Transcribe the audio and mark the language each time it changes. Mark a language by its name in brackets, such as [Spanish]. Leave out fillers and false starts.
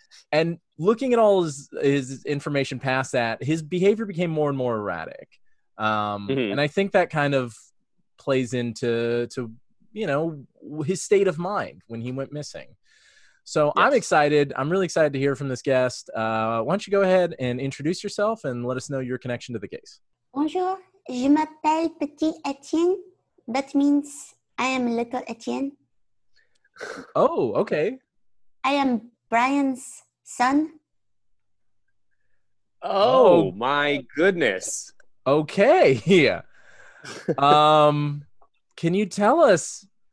[English] And looking at all his information past that, his behavior became more and more erratic. And I think that kind of plays into you know, his state of mind when he went missing. So yes. I'm excited. I'm really excited to hear from this guest. Why don't you go ahead and introduce yourself and let us know your connection to the case. [French] Bonjour. Je m'appelle Petit Etienne. [English] That means I am little Etienne. Oh, okay. I am Brian's son. Oh, my goodness. Okay. Yeah. Can you tell us?